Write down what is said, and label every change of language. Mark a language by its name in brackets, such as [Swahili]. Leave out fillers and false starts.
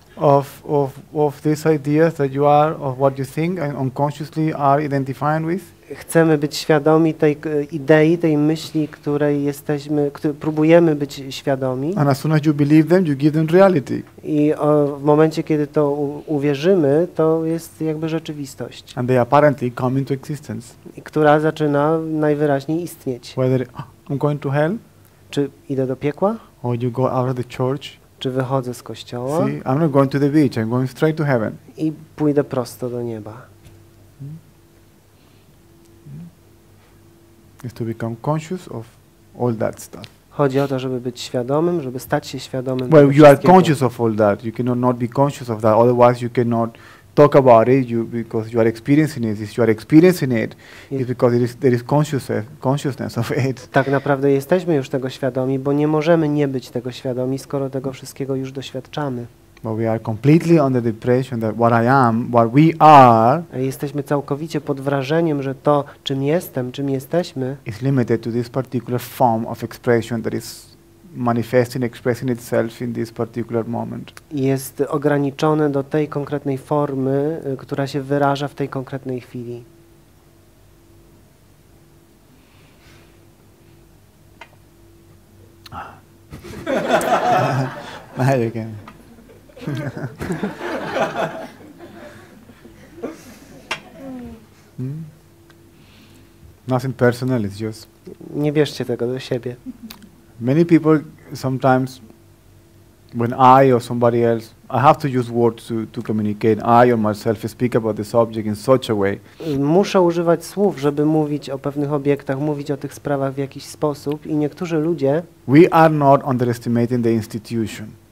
[English] of these ideas that you are, of what you think and unconsciously are identifying with. [Polish] Chcemy być świadomi tej idei, tej myśli, której jesteśmy, próbujemy być świadomi. [English] And as soon as you believe them, you give them reality. [Polish] I w momencie, kiedy to uwierzymy, to jest jakby rzeczywistość. [English] And they apparently come into existence. [Polish] I która zaczyna najwyraźniej istnieć. [English] Whether I'm going to hell? [Polish] Czy idę do piekła? [English] Or you go out of the church? [Polish] Czy wychodzę z kościoła? [English] See, I'm not going to the beach, I'm going straight to heaven. [Polish] I pójdę prosto do nieba. [English] Is to become conscious of all that stuff. [Polish] Chodzi o to, żeby być świadomym, żeby stać się świadomym. [English] Well, you are conscious of all that. You cannot not be conscious of that. Otherwise, you cannot talk about it. You because you are experiencing it. If you are experiencing it, it's because there is consciousness of it. [Polish] Tak naprawdę jesteśmy już tego świadomi, bo nie możemy nie być tego świadomi, skoro tego wszystkiego już doświadczamy. [English] But we are completely under the impression that what I am, what we are, [Polish] jesteśmy całkowicie pod wrażeniem, że to, czym jestem, czym jesteśmy, [English] is limited to this particular form of expression that is manifesting, expressing itself in this particular moment. [Polish] Jest ograniczone do tej konkretnej formy, która się wyraża w tej konkretnej chwili. [English] Now you can. Nothing personal, it's just. [Polish] Nie bierzcie tego do siebie. [English] Many people sometimes, when I or somebody else, I have to use words to communicate. I or myself speak about the subject in such a way. [Polish] Muszę używać słów, żeby mówić o pewnych obiektach, mówić o tych sprawach w jakiś sposób. I niektórzy ludzie. [English] We are not underestimating the institution.